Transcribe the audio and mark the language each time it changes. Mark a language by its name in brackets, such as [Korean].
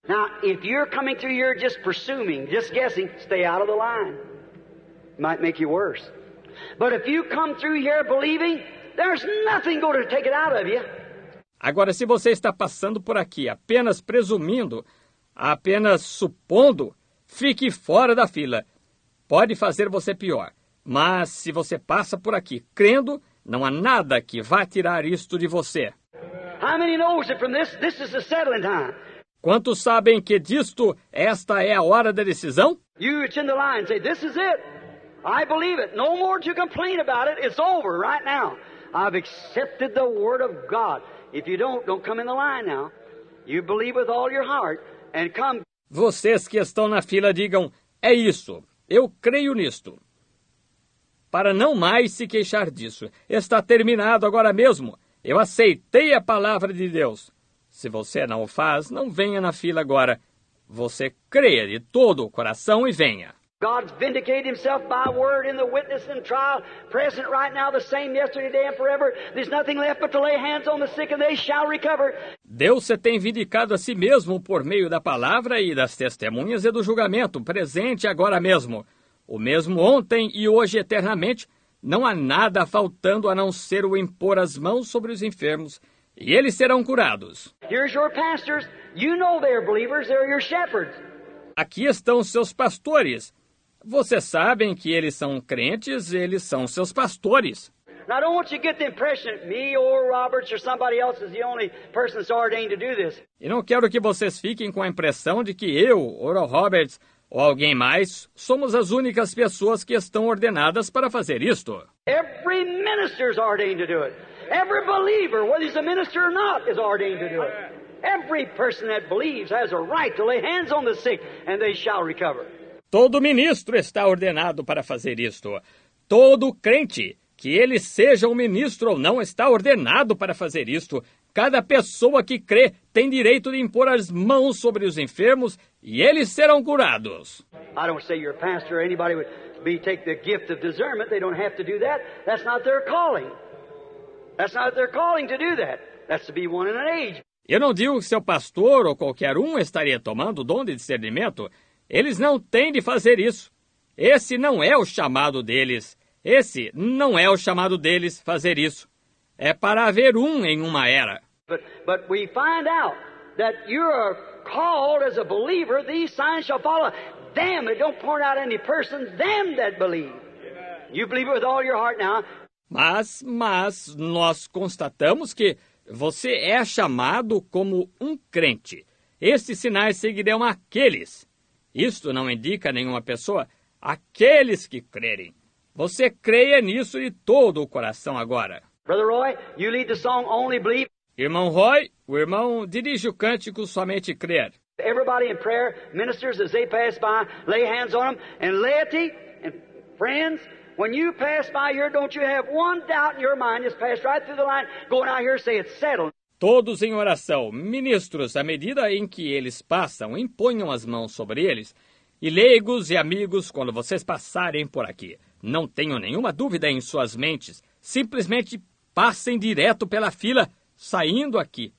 [English] Now, if you're coming through here just presuming, just guessing, stay out of the line. Might make you worse. But if you come through here believing, there's nothing going to take it out of you. [Portuguese] Agora, se você está passando por aqui apenas presumindo, apenas supondo, fique fora da fila. Pode fazer você pior. Mas se você passa por aqui crendo, não há nada que vá tirar isto de você. [English] How many knows it from this? This is the settling time. [Portuguese] Quantos sabem que disto esta é a hora da decisão? [English] You attend the line and say, this is it. I believe it. No more to complain about it. It's over right now. I've accepted the word of God. If you don't come in the line now. You believe with all your heart and come. [Portuguese] Vocês que estão na fila digam, é isso. Eu creio nisto. Para não mais se queixar disso. Está terminado agora mesmo. Eu aceitei a palavra de Deus. Se você não o faz, não venha na fila agora. Você creia de todo o coração e venha. [English] God's vindicated himself by word in the witness and trial, present right now, the same yesterday, today and forever. There's nothing left but to lay hands on the sick and they shall recover. [Portuguese] Deus se tem vindicado a si mesmo por meio da palavra e das testemunhas e do julgamento, presente agora mesmo. O mesmo ontem e hoje eternamente, não há nada faltando a não ser o impor as mãos sobre os enfermos, e eles serão curados. [English] Here's your pastors. You know they're believers, they're your shepherds. [Portuguese] Aqui estão seus pastores. Vocês sabem que eles são crentes, eles são seus pastores. [English] Now, I don't want you to get the impression that me or Roberts or somebody else is the only person that's ordained to do this. [Portuguese] E não quero que vocês fiquem com a impressão de que eu, Oral Roberts, ou alguém mais, somos as únicas pessoas que estão ordenadas para fazer isto. [English] Every minister is ordained to do it. Every believer, whether he's a minister or not, is ordained to do it. Every person that believes has a right to lay hands on the sick and they shall recover. [Portuguese] Todo ministro está ordenado para fazer isto. Todo crente, que ele seja um ministro ou não, está ordenado para fazer isto. Cada pessoa que crê tem direito de impor as mãos sobre os enfermos e eles serão curados. [English] I don't say your pastor or anybody would be take the gift of discernment. They don't have to do that. That's not their calling. That's not their calling to do that. That's to be one in an age. [Portuguese] Eu não digo que seu pastor ou qualquer um estaria tomando o dom de discernimento. Eles não têm de fazer isso. Esse não é o chamado deles. Esse não é o chamado deles fazer isso. É para haver um em uma era. [English] But we find out that you are called as a believer, these signs shall follow them. It don't point out any person, them that believe. You believe it with all your heart now. [Portuguese] Mas nós constatamos que você é chamado como um crente. Estes sinais seguirão aqueles. Isto não indica nenhuma pessoa, aqueles que crerem. Você creia nisso de todo o coração agora. [English] Brother Roy, you lead the song Only Believe. [Portuguese] Irmão Roy, o irmão dirige o cântico Somente Crer. [English] Everybody in prayer, ministers as they pass by, lay hands on them, and laity and friends, when you pass by here, don't you have one doubt in your mind, just pass right through the line, going out here, say it's settled. [Portuguese] Todos em oração, ministros, à medida em que eles passam, imponham as mãos sobre eles. E leigos e amigos, quando vocês passarem por aqui, não tenham nenhuma dúvida em suas mentes. Simplesmente passem direto pela fila, saindo aqui.